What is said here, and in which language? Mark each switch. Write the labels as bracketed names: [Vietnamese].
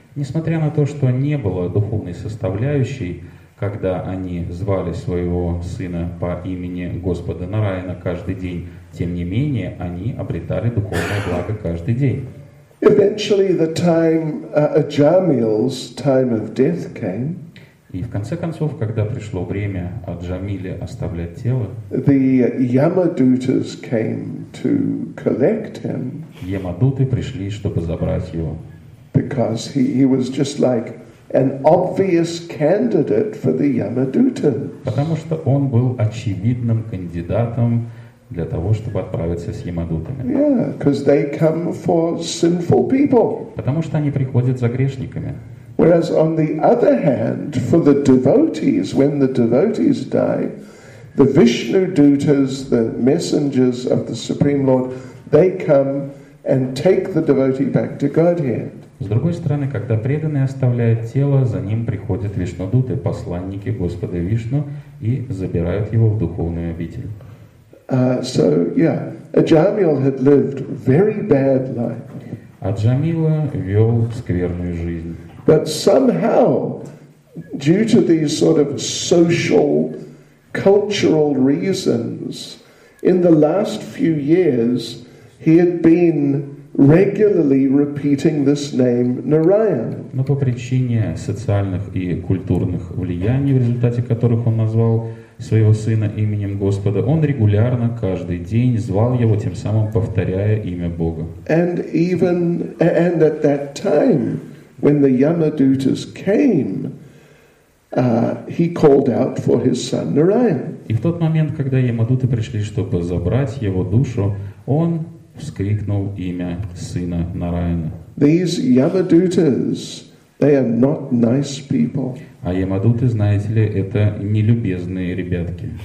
[Russian] Несмотря на то, что не было духовной составляющей, когда они звали своего сына по имени Господа Нараяна каждый день, тем не менее, они обретали духовное благо каждый день. [English] Eventually the time, Ajamil's time of death came. [Russian] И в конце концов, когда пришло время Аджамиле оставлять тело, [English] the Yamadutas came to collect him. [Russian] Ямадуты пришли, чтобы забрать его. [English] Because he was just like an obvious candidate for the Yamadutas. [Russian] Потому что он был очевидным кандидатом для того, чтобы отправиться с ямадутами. [English] Yeah, because they come for sinful people. [Russian] Потому что они приходят за грешниками. [English] Whereas on the other hand, for the devotees, when the devotees die, the Vishnu Dutas, the messengers of the Supreme Lord, they come and take the devotee back to Godhead. [Russian] С другой стороны, когда преданный оставляет тело, за ним приходят Вишнудуты, посланники Господа Вишну, и забирают его в духовную обитель. [English] So yeah, Ajamil had lived very bad life. [Russian] Аджамила вел скверную жизнь. [English] But somehow, due to these sort of social, cultural reasons, in the last few years, he had been regularly repeating this name Narayan. [Russian] Но по причине социальных и культурных влияний, в результате которых он назвал своего сына именем Господа, он регулярно каждый день звал его, тем самым повторяя имя Бога. [English] And at that time, when the Yamadutas came, he called out for his son Narayan. [Russian] И в тот момент, когда Ямадуты пришли, чтобы забрать его душу, он вскрикнул имя сына Нараяна. [English] These Yamadutas, they are not nice people. [Russian] А ямадуты, знаете ли, это нелюбезные ребятки.